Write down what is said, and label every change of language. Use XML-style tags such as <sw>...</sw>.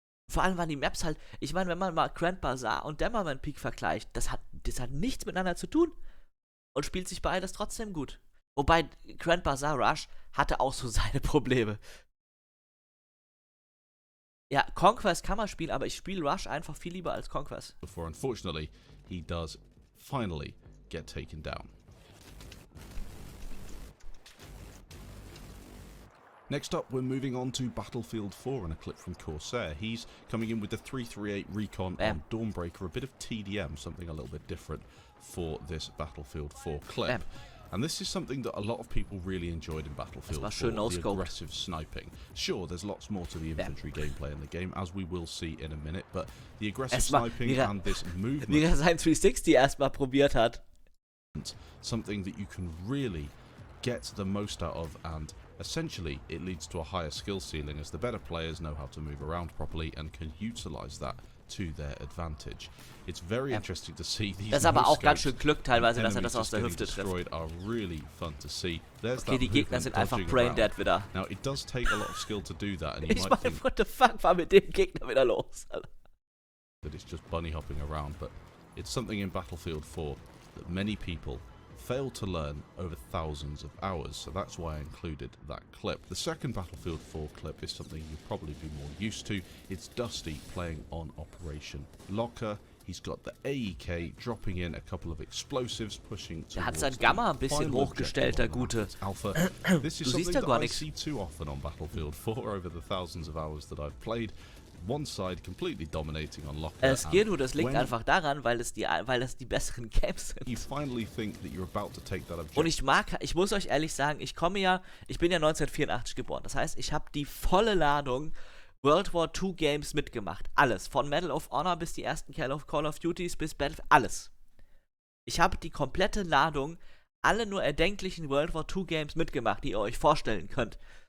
<de>Vor allem waren die Maps halt, ich meine, wenn man mal Grand Bazaar und Dämmerwand Peak vergleicht, das hat nichts miteinander zu tun und spielt sich beides trotzdem gut. Wobei Grand Bazaar Rush hatte auch so seine Probleme. Ja, Conquest kann man spielen, aber ich spiele Rush einfach viel lieber als Conquest.</de> <en>Before, unfortunately, he does finally get taken down. Next up, we're moving on to Battlefield 4 and a clip from Corsair. He's coming in with the 338 recon on Dawnbreaker, a bit of TDM, something a little bit different for this Battlefield 4 clip. And this is something that a lot of people really enjoyed in Battlefield 4, No-scoped. The aggressive sniping. Sure, there's lots more to the infantry gameplay in the game, as we will see in a minute, but the aggressive sniping and this movement...</en> <de>Mira sein 360 erstmal probiert hat.</de> <en>...something that you can really get the most out of and... Essentially, it leads to a higher skill ceiling as the better players know how to move around properly and can utilize that to their advantage. It's very interesting to see these.</en> <de>Das aber auch ganz schön Glück teilweise, dass er das aus der Hüfte trifft.</de> <en>Are really fun to see.</en> <de>Okay, die Gegner sind einfach brain dead wieder.</de> <en>Now it does take a lot of skill to do that, and</en> <de>ich meine,</de> <en>what the fuck</en> <de>war mit dem Gegner wieder los?</de> <en>That it's just bunny hopping around, but it's something in Battlefield 4 that many people. Failed to learn over thousands of hours, so that's why I included that clip. The second Battlefield 4 clip is something you'll probably be more used to. It's Dusty playing on Operation Locker. He's got the AEK dropping in a couple of explosives, pushing towards</en> <de>hat sein Gamma ein bisschen hochgestellt, der Gute.</de> <en>Alpha. This is something that I see too often on Battlefield 4 over the thousands of hours that I've played. One side completely dominating on locker.</en> <de>Es geht nur, das liegt einfach daran, weil es die besseren Camps sind.</de> <en>You finally think that you're about to take that objective.</en> <de>Und ich muss euch ehrlich sagen, ich bin ja 1984 geboren. Das heißt, ich habe die volle Ladung World War II Games mitgemacht. Alles. Von Medal of Honor bis die ersten Call of Duties bis Battlefield. Alles. Ich habe die komplette Ladung, alle nur erdenklichen World War II Games mitgemacht, die ihr euch vorstellen könnt.</de>